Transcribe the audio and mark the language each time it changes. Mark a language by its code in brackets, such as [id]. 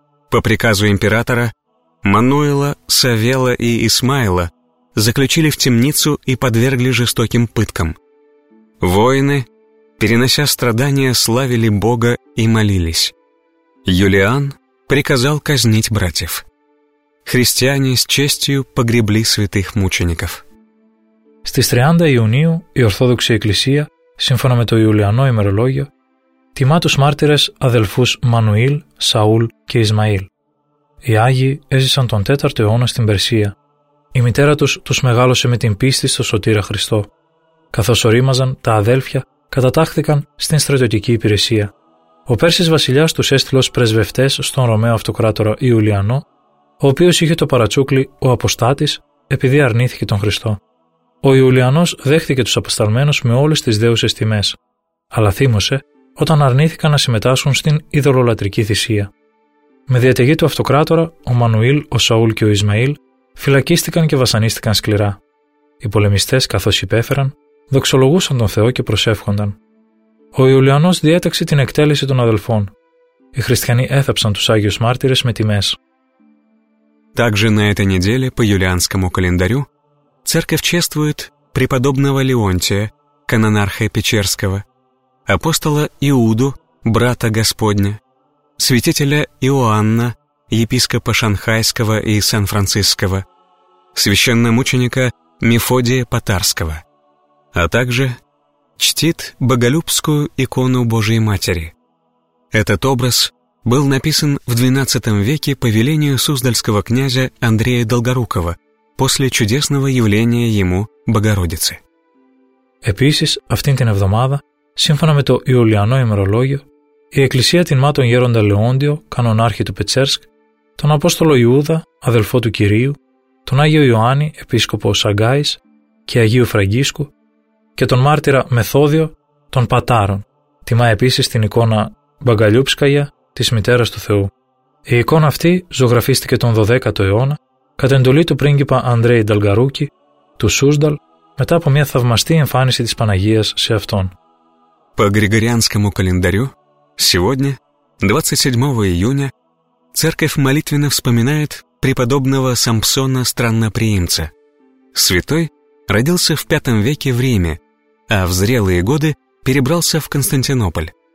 [ru] По приказу императора Мануила, Савела и Исмаила заключили в темницу и подвергли жестоким пыткам. Воины, перенося страдания, славили Бога и молились. Юлиан приказал казнить братьев. Христиане с честью погребли святых мучеников. [el] Στις 30 Ιουνίου η Ορθόδοξη Εκκλησία, σύμφωνα με το Ιουλιανό ημερολόγιο, τιμά τους μάρτυρες αδελφούς Μανουήλ, Σαούλ και Ισμαήλ. Οι Άγιοι έζησαν τον 4ο αιώνα στην Περσία. Η μητέρα τους τους μεγάλωσε με την πίστη στο Σωτήρα Χριστό. Καθώς ορίμαζαν, τα αδέλφια κατατάχθηκαν στην στρατιωτική υπηρεσία. Ο Πέρσης βασιλιάς τους έστειλε ως πρεσβευτές στον Ρωμαίο Αυτοκράτορα Ιουλιανό, ο οποίος είχε το παρατσούκλι «Ο Αποστάτης» επειδή αρνήθηκε τον Χριστό. Ο Ιουλιανός δέχτηκε τους αποσταλμένους με όλες τις δέουσες τιμές, αλλά θύμωσε όταν αρνήθηκαν να συμμετάσχουν στην ειδωλολατρική θυσία. Με διαταγή του αυτοκράτορα, ο Μανουήλ, ο Σαούλ και ο Ισμαήλ φυλακίστηκαν και βασανίστηκαν σκληρά. Οι πολεμιστές, καθώς υπέφεραν, δοξολογούσαν τον Θεό και προσεύχονταν. Ο Ιουλιανός διέταξε την εκτέλεση των αδελφών. Οι χριστιανοί έθαψαν τους Άγιους Μάρτυρες με τιμές. [ru] Также на этой неделе по юлианскому календарю церковь чествует преподобного Леонтия, канонарха Печерского, апостола Иуду, брата Господня, святителя Иоанна, епископа Шанхайского и Сан-Франциского, священномученика Мефодия Потарского, а также чтит боголюбскую икону Божией Матери. Этот образ был написан в XII веке по велению суздальского князя Андрея Долгорукова после чудесного явления ему Богородицы. [el] Επίσης, αυτήν την εβδομάδα, σύμφωνα με το Ιουλιανό ημερολόγιο, η Εκκλησία τιμά τον Γέροντα Λεόντιο, κανονάρχη του Πετσέρσκ, τον Απόστολο Ιούδα, αδελφό του Κυρίου, τον Άγιο Ιωάννη, επίσκοπο Σαγκάης και Αγίου Φραγκίσκου, και τον μάρτυρα Μεθόδιο των Πατάρων. Τιμά επίσης την εικόνα Μπαγκαλιούψκαγια της μητέρας του Θεού. Η εικόνα αυτή ζωγραφίστηκε τον 12ο αιώνα κατά εντολή του πρίγκιπα Ανδρέη Νταλγαρούκη του Σούσνταλ μετά από μια θαυμαστή εμφάνιση της Παναγίας σε αυτόν. [ru] По Григорианскому календарю сегодня, 27 июня, церковь молитвенно вспоминает преподобного Самсона Странноприимца. Святой родился в V веке в Риме, а в зрелые годы перебрался в Константинополь.